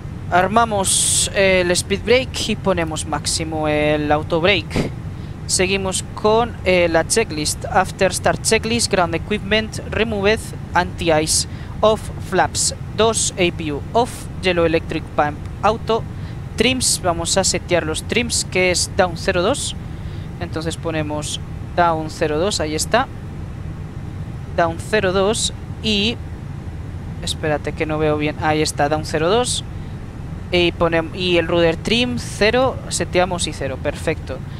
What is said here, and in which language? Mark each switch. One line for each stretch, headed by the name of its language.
Spanish: Armamos el speed brake y ponemos máximo el auto brake. Seguimos con la checklist.
English: After start checklist, ground equipment removed, anti-ice off, flaps 2, APU off, yellow electric pump auto, trims.
Spanish: Vamos a setear los trims, que es down 0.2. Entonces ponemos down 0.2, ahí está. Down 0.2 y Espérate que no veo bien. Ahí está, da un 0,2. Y ponemos. Y el rudder trim, 0, seteamos y 0. Perfecto.